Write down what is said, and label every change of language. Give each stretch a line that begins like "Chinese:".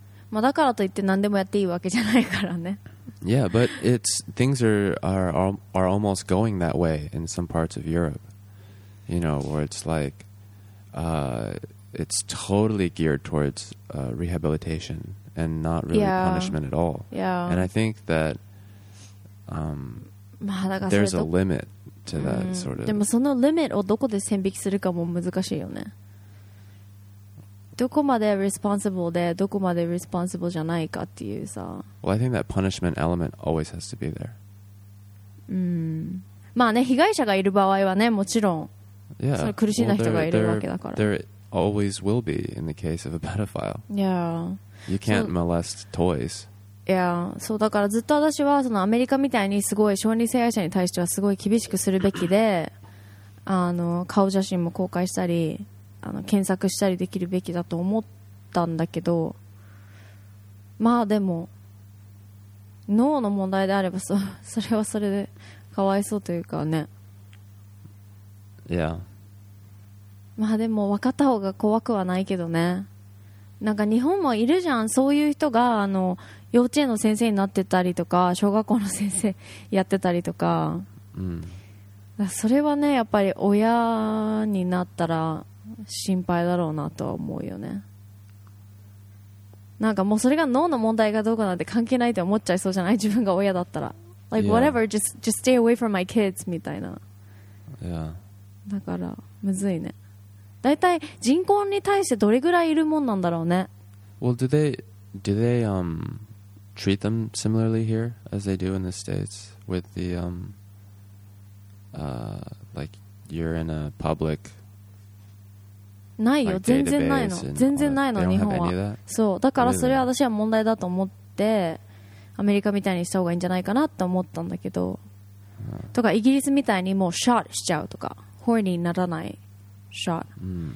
Japanese: まあだからといって何でもやっていいわけじゃないからね。
English: Yeah, but it's things are almost going that way in some parts of Europe. You know, where it's like it's totally geared towards rehabilitation and not really punishment at all. Yeah. And I think that there's a limit to that sort of.
Japanese: でもそのリミットをどこで線引きするかも難しいよね。どこまで responsible でどこまで responsible じゃないかっていうさ。
English: Well, I think that punishment element always has to be there.
Japanese: まあね、被害者がいる場合はね、もちろん。
English: Yeah.
Japanese: その苦しんだ人がいるわけだから。
English: There always will be in the case of a pedophile. Yeah. You can't molest toys. Yeah.
Japanese: そうだからずっと私はそのアメリカみたいにすごい小児性愛者に対してはすごい厳しくするべきで、あの顔写真も公開したり。あの検索したりできるべきだと思ったんだけど、まあでも脳の問題であればそれはそれでかわいそうというかね。
English: Yeah.
Japanese: まあでも分かった方が怖くはないけどね。なんか日本もいるじゃん、そういう人があの幼稚園の先生になってたりとか小学校の先生やってたりとか、うん、だからそれはねやっぱり親になったら心配だろうなとは思うよね。なんかもうそれが脳の問題がどうかなんて関係ないって思っちゃいそうじゃない、自分が親だったら。
English: Like、 yeah. whatever, just stay away from my kids
Japanese: みたいな。
English: Yeah.
Japanese: だからむずいね。だいたい人口に対してどれぐらいいるもんなんだろうね。
English: Well, do they treat them similarly here as they do in the States with the like you're in a public
Japanese: ないよ、
English: like、
Japanese: 全然ないの、全然ないの、日本は。そうだからそれは私は問題だと思ってアメリカみたいにした方がいいんじゃないかなって思ったんだけど、とかイギリスみたいにもうショットしちゃうとかホーニーにならないショット、うん、